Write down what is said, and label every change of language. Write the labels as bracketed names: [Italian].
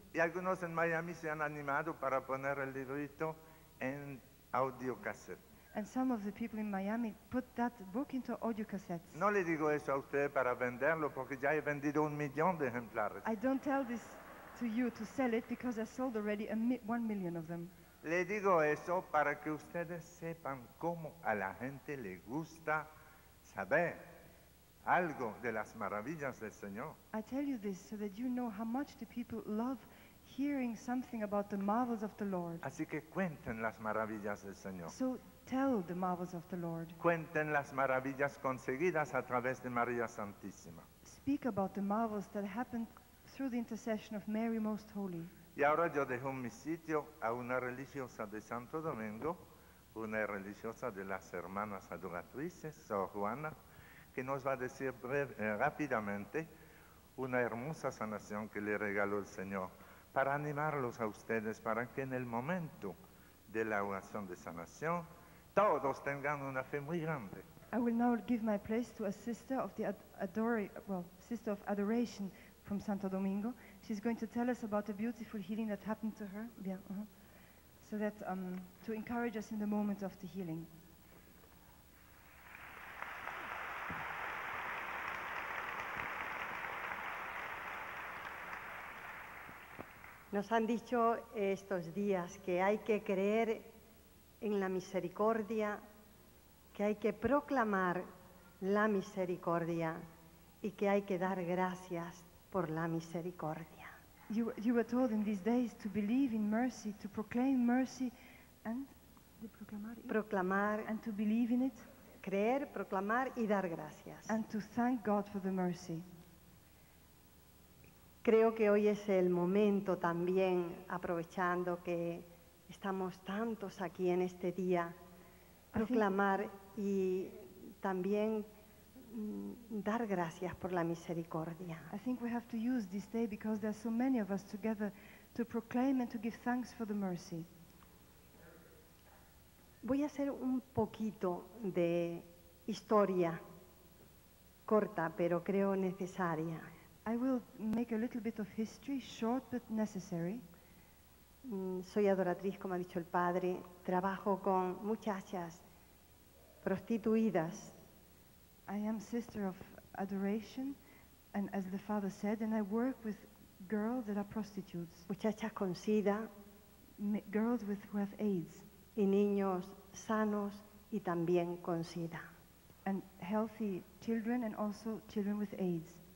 [Spanish] Y algunos en Miami se han animado para poner el librito en audio cassette. [English] And some of the people in Miami put that book into audio cassettes. [Spanish] No le digo eso a usted para venderlo porque ya he vendido 1,000,000 de ejemplares. [English] I don't tell this to you to sell it because I sold already 1,000,000 of them. [Spanish] Le digo eso para que ustedes sepan cómo a la gente le gusta saber algo de las maravillas del Señor. [English] I tell you this so that you know how much the people love hearing something about the marvels of the Lord. [Spanish] Así que cuenten las maravillas del Señor. [English] So tell the marvels of the Lord. [Spanish] Cuenten las maravillas conseguidas a través de María Santísima. [English] Speak about the marvels that happened through the intercession of Mary Most Holy. [Spanish] Y ahora yo dejo mi sitio a una religiosa de Santo Domingo, una religiosa de las hermanas adoratrices, Sor Juana, que nos va a decir rápidamente una hermosa sanación que le regaló el Señor para animarlos a ustedes, para que en el momento de la oración de sanación todos tengan una fe muy grande. [English] I will now give my place to a sister of the sister of adoration from Santo Domingo. She's going to tell us about the beautiful healing that happened to her. Bien, so that to encourage us in the moment of the healing. [Spanish] Nos han dicho estos días que hay que creer en la misericordia, que hay que proclamar la misericordia y que hay que dar gracias por la misericordia. [English] You were told in these days to believe in mercy, to proclaim mercy and [Spanish] de proclamar, proclamar [English] and to believe in it, [Spanish] creer, proclamar y dar gracias. [English] And to thank God for the mercy. [Spanish] Creo que hoy es el momento también, aprovechando que estamos tantos aquí en este día, proclamar y también dar gracias por la misericordia. [English] I think we have to use this day because there are so many of us together to proclaim and to give thanks for the mercy. [Spanish] Voy a hacer un poquito de historia corta, pero creo necesaria. [English] I will make a little bit of history, short but necessary. [Spanish] Soy adoratriz, como ha dicho el padre, trabajo con muchachas prostituidas. [English] I am sister of adoration, and as the father said, and I work with girls that are prostitutes. [Spanish] Muchachas con SIDA, [English] girls who have AIDS, [Spanish] y niños sanos y también con SIDA, [English] and healthy children and also children with AIDS.